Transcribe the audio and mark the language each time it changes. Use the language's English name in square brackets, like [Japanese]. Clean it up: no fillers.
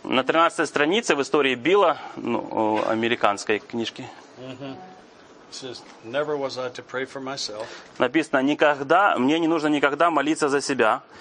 [Russian] На 13 странице в истории Билла, ну, американской книжки. [English] Never was I to pray for myself. [Russian] Написано, никогда мне не нужно никогда молиться за себя.